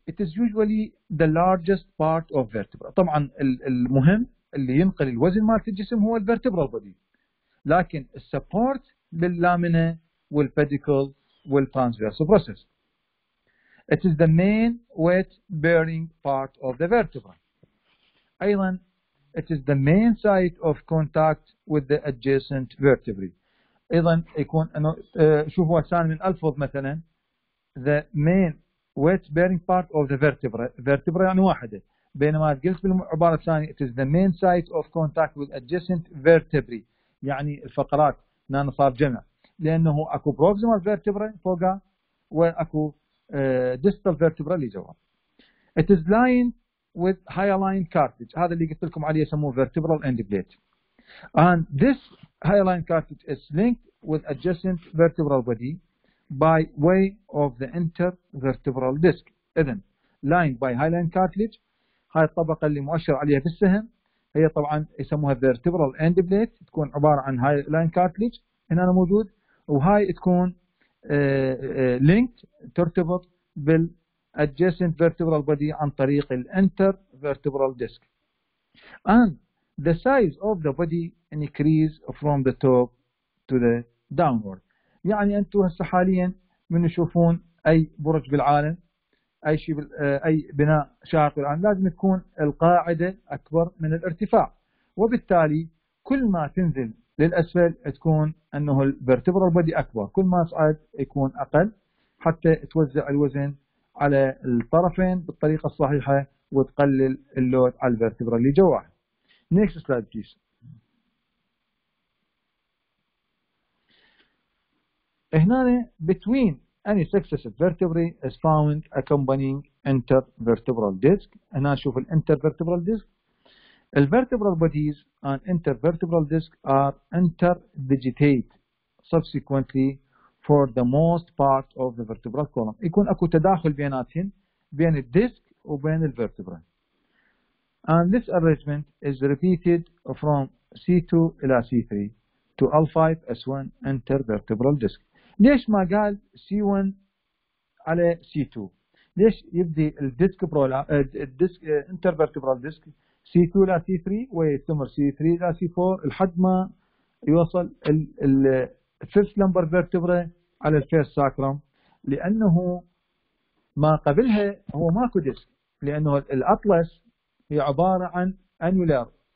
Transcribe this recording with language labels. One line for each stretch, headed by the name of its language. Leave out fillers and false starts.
English: It is usually the largest part of vertebra.
Arabic: طبعا المهم اللي ينقل الوزن مال الجسم هو vertebral body. لكن support باللامنة والpedicle والtransverse process.
English: It is the main weight bearing part of the vertebra.
Arabic: أيضا
English: it is the main site of contact with the adjacent vertebrae.
Arabic: ايضا يكون انه شوف هو ثاني من الفظ مثلا
English: the main weight bearing part of the vertebra.
Arabic: vertebra يعني واحده، بينما قلت بالعباره الثانيه
English: it is the main site of contact with adjacent vertebrae
Arabic: يعني الفقرات نانو صار جمع، لانه اكو proximal vertebra فوقا واكو distal vertebra اللي جوا.
English: it is lined with hyaline cartilage،
Arabic: هذا اللي قلت لكم عليه يسموه
English: vertebral end plate. And this hyaline cartilage is linked with adjacent vertebral body by way of the intervertebral disc.
Arabic: إذن
English: lined by hyaline cartilage،
Arabic: هاي الطبقة اللي مؤشر عليها في السهم هي طبعا يسموها vertebral end plate، تكون عبارة عن hyaline cartilage هنا أنا موجود، وهاي تكون linked ترتبط بالadjacent vertebral body عن طريق الintervertebral disc.
English: And the size of the body increase from the top to the downward.
Arabic: يعني انتم هسه حاليا من تشوفون اي برج بالعالم اي شيء اي بناء شاهق بالعالم لازم تكون القاعده اكبر من الارتفاع، وبالتالي كل ما تنزل للاسفل تكون انه الفيرتبرال بودي اكبر، كل ما تصعد يكون اقل حتى توزع الوزن على الطرفين بالطريقه الصحيحه وتقلل اللود على الفيرتبرا اللي جواها.
English: Next slide, please. هنا between any successive vertebrae is found accompanying intervertebral disc.
Arabic: هنا نشوف ال intervertebral disc.
English: The vertebral bodies and intervertebral disc are interdigitate subsequently for the most part of the vertebral column.
Arabic: يكون أكو تداخل بيناتهم بين الديسك وبين الفيرتبرا.
English: And this arrangement is repeated from C2 إلى C3 to L5 S1 intervertebral disc.
Arabic: ليش ما قال C1 على C2؟ ليش يبدي الديسك برولا الديسك intervertebral disc C2 إلى C3 ويستمر C3 إلى C4 لحد ما يوصل ال first lumbar vertebra على ال first sacrum؟ لأنه ما قبلها هو ماكو ديسك، لأنه الأطلس هي عبارة عن أنولار